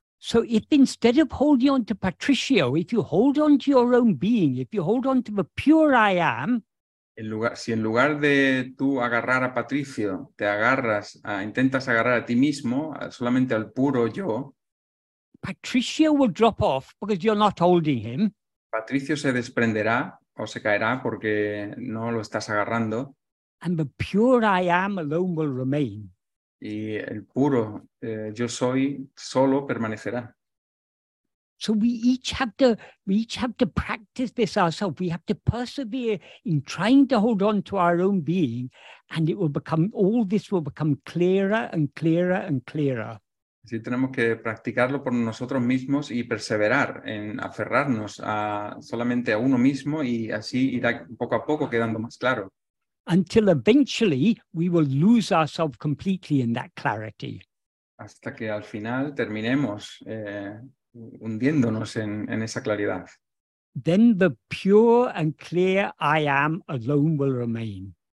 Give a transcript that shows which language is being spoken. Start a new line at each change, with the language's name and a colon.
English: So if instead of holding on to Patricio, if you hold on to your own being, if you hold on to the pure I am,
Spanish: si en lugar de tú agarrar a Patricio, te agarras, intentas agarrar a ti mismo, solamente al puro yo,
English: Patricio will drop off because you're not holding him.
Spanish: Patricio se desprenderá o se caerá porque no lo estás agarrando.
English: And the pure I am alone will remain.
Spanish: Y el puro yo soy solo permanecerá.
English: So we each have to practice this ourselves. We have to persevere in trying to hold on to our own being, and it will become all this will become clearer and clearer and clearer.
Spanish: Sí, tenemos que practicarlo por nosotros mismos y perseverar en aferrarnos a solamente a uno mismo y así irá poco a poco quedando más claro.
English: Until eventually we will lose ourselves completely in that clarity.
Spanish: Hasta que al final terminemos hundiéndonos en esa claridad.
English: Then the pure and clear I am alone will remain.